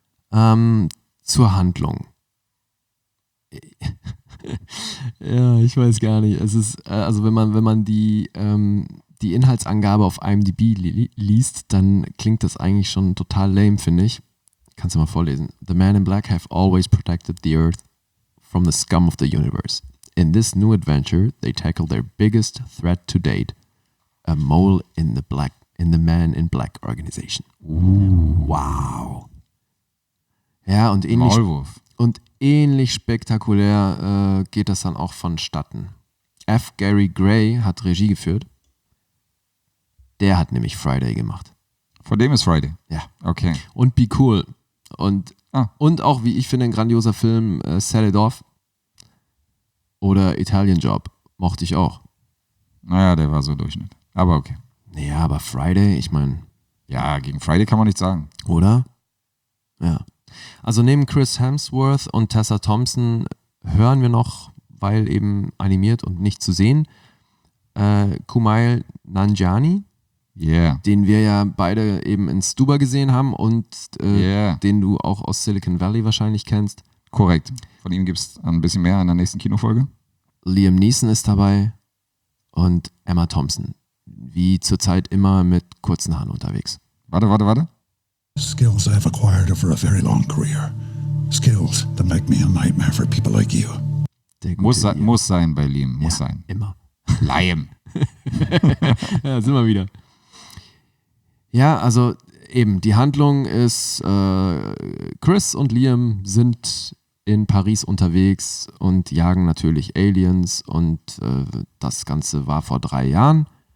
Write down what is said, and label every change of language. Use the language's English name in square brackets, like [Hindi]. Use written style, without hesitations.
[German] Zur Handlung. Ja, ich weiß gar nicht. Es ist, also wenn man die Inhaltsangabe auf IMDb liest, dann klingt das eigentlich schon total lame, finde ich. Kannst du mal vorlesen. [English] The men in black have always protected the earth from the scum of the universe. In this new adventure, they tackle their biggest threat to date, a mole in the Man in Black organization. Ooh. [German] Wow. Ja, und ähnlich. Maulwurf. Und ähnlich spektakulär geht das dann auch vonstatten. F. Gary Gray hat Regie geführt. Der hat nämlich Friday gemacht. Von dem ist Friday. Ja. Okay. Und Be Cool. Und, und auch, wie ich finde, ein grandioser Film, Set It Off. Oder Italian Job, mochte ich auch. Naja, der war so Durchschnitt. Aber okay. Naja, aber Friday, ich meine... Ja, gegen Friday kann man nichts sagen. Oder? Ja. Also neben Chris Hemsworth und Tessa Thompson hören wir noch, weil eben animiert und nicht zu sehen, Kumail Nanjiani. [English] Yeah. [German] Den wir ja beide eben in Stuba gesehen haben und den du auch aus Silicon Valley wahrscheinlich kennst. Korrekt. Von ihm gibt es ein bisschen mehr in der nächsten Kinofolge. Liam Neeson ist dabei und Emma Thompson. Wie zurzeit immer mit kurzen Haaren unterwegs. Warte. [English] Skills I have acquired over a very long career. Skills that make me a nightmare for people like you. [German] Muss sein bei Liam, muss sein. Immer. Liam. Ja, sind wir wieder. Ja, also eben, die Handlung ist, Chris und Liam sind in Paris unterwegs und jagen natürlich Aliens und das Ganze war vor 3 Jahren.